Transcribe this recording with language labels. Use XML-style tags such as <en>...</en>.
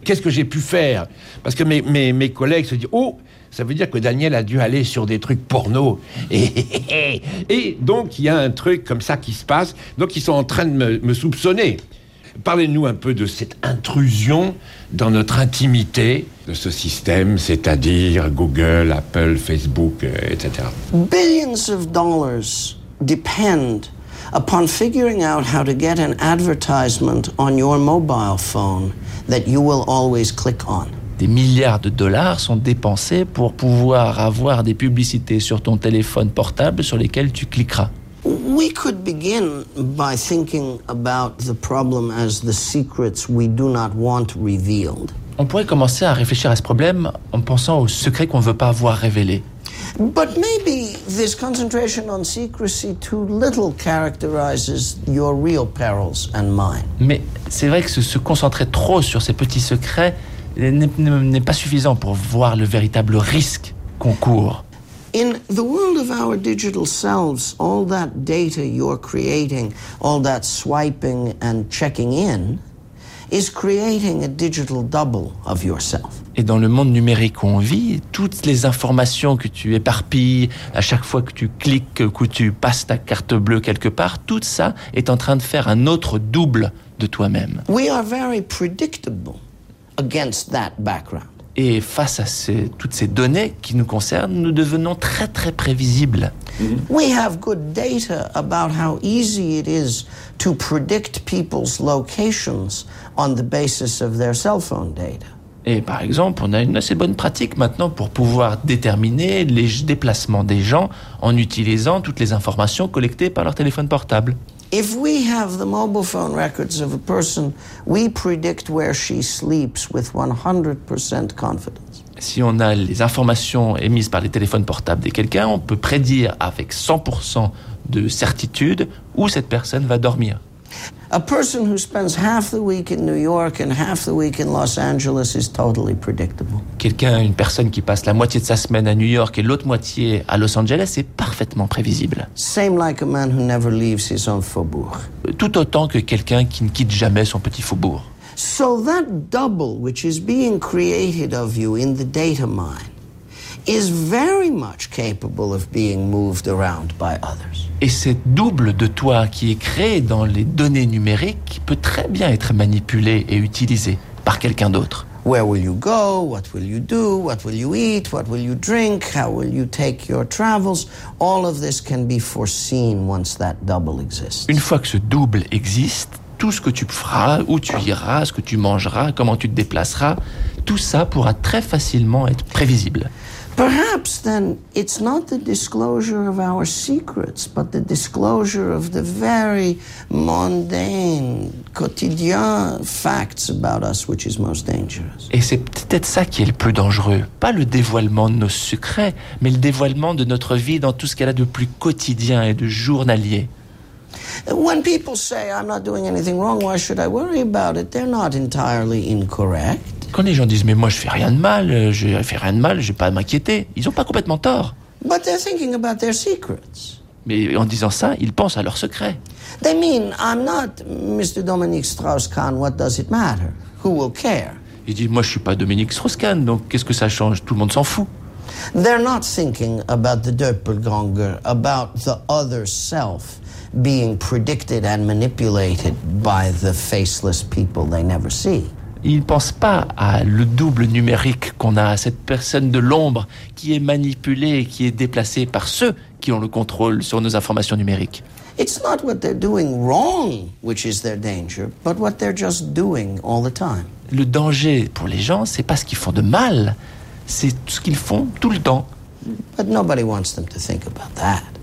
<fr>Qu'est-ce que j'ai pu faire? Parce que mes collègues se disent « Oh, ça veut dire que Daniel a dû aller sur des trucs porno. » Et donc, il y a un truc comme ça qui se passe. Donc, ils sont en train de me soupçonner. Parlez-nous un peu de cette intrusion dans notre intimité, de ce système, c'est-à-dire Google, Apple, Facebook, etc.</fr> <en>Billions of dollars depend upon figuring out how to get an advertisement on your mobile phone that you will always click on.</en> <fr>Des milliards de dollars sont dépensés pour pouvoir avoir des publicités sur ton téléphone portable sur lesquelles tu cliqueras.</fr> <en>We could begin by thinking about the problem as the secrets we do not want revealed.</en> <fr>On pourrait commencer à réfléchir à ce problème en pensant aux secrets qu'on ne veut pas voir révélés.</fr> <en>But maybe this concentration on secrecy too little characterizes your real perils and mine.</en> <fr>Mais c'est vrai que se concentrer trop sur ces petits secrets n'est pas suffisant pour voir le véritable risque qu'on court.</fr> <en>In the world of our digital selves, all that data you're creating, all that swiping and checking in, is creating a digital double of yourself.</en> <fr>Et dans le monde numérique où on vit, toutes les informations que tu éparpilles à chaque fois que tu cliques ou que tu passes ta carte bleue quelque part, tout ça est en train de faire un autre double de toi-même.</fr> <en>We are very predictable against that background.</en> <fr>Et face à toutes ces données qui nous concernent, nous devenons très très prévisibles. Mm-hmm.</fr> <en>We have good data about how easy it is to predict people's locations on the basis of their cell phone data.</en> <fr>Et par exemple, on a une assez bonne pratique maintenant pour pouvoir déterminer les déplacements des gens en utilisant toutes les informations collectées par leur téléphone portable.</fr> <en>If we have the mobile phone records of a person, we predict where she sleeps with 100% confidence.</en> <fr>Si on a les informations émises par les téléphones portables de quelqu'un, on peut prédire avec 100% de certitude où cette personne va dormir.</fr> <en>A person who spends half the week in New York and half the week in Los Angeles is totally predictable.</en> <fr>Quelqu'un, une personne qui passe la moitié de sa semaine à New York et l'autre moitié à Los Angeles est parfaitement prévisible.</fr> <en>Same like a man who never leaves his own faubourg.</en> <fr>Tout autant que quelqu'un qui ne quitte jamais son petit faubourg.</fr> <en>So that double which is being created of you in the data mine is very much capable of being moved around by others.</en> <fr>Et cette double de toi qui est créé dans les données numériques peut très bien être manipulé et utilisé par quelqu'un d'autre.</fr> <en>Where will you go? What will you do? What will you eat? What will you drink? How will you take your travels? All of this can be foreseen once that double exists.</en> <fr>Une fois que ce double existe, tout ce que tu feras, où tu iras, ce que tu mangeras, comment tu te déplaceras, tout ça pourra très facilement être prévisible.</fr> <en>Perhaps then it's not the disclosure of our secrets, but the disclosure of the very mundane, quotidien facts about us, which is most dangerous.</en> <fr>Et c'est peut-être ça qui est le plus dangereux. Pas le dévoilement de nos secrets, mais le dévoilement de notre vie dans tout ce qu'elle a de plus quotidien et de journalier.</fr> <en>When people say, I'm not doing anything wrong, why should I worry about it? They're not entirely incorrect.</en> <fr>Quand les gens disent « Mais moi, je fais rien de mal, je n'ai pas à m'inquiéter », ils n'ont pas complètement tort.</fr> <en>But they're thinking about their secrets.</en> <fr>Mais en disant ça, ils pensent à leurs secrets.</fr> <en>They mean, I'm not Mr. Dominique Strauss-Kahn, what does it matter? Who will care?</en> <fr>Ils disent « Moi, je ne suis pas Dominique Strauss-Kahn, donc qu'est-ce que ça change? Tout le monde s'en fout. »</fr> <en>They're not thinking about the doppelganger, about the other self being predicted and manipulated by the faceless people they never see.</en> <fr>Ils ne pensent pas à le double numérique qu'on a, à cette personne de l'ombre qui est manipulée et qui est déplacée par ceux qui ont le contrôle sur nos informations numériques.</fr> <en>It's not what they're doing wrong which is their danger, but what they're just doing all the time.</en> <fr>Le danger pour les gens, ce n'est pas ce qu'ils font de mal, c'est ce qu'ils font tout le temps.</fr> <en>But nobody wants them to think about that.</en>